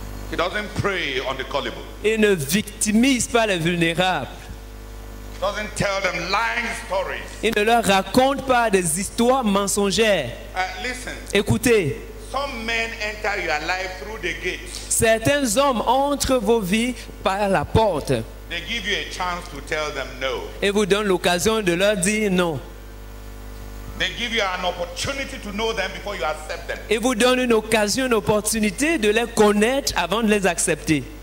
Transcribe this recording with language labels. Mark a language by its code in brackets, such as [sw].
[en] He doesn't prey on the gullible. [fr] Il ne victimise pas les vulnérables. [en] He doesn't tell them lying stories. [fr] Il ne leur raconte pas des histoires mensongères. [en] Listen. [fr] Écoutez. [en] Some men enter your life through the gates. [fr] Certains hommes entrent vos vies par la porte. [en] They give you a chance to tell them no. [fr] Et vous donnent l'occasion de leur dire non. [en] They give you an opportunity to know them before you accept them. [fr] Et vous donne une occasion, une opportunité de les connaître avant de les accepter.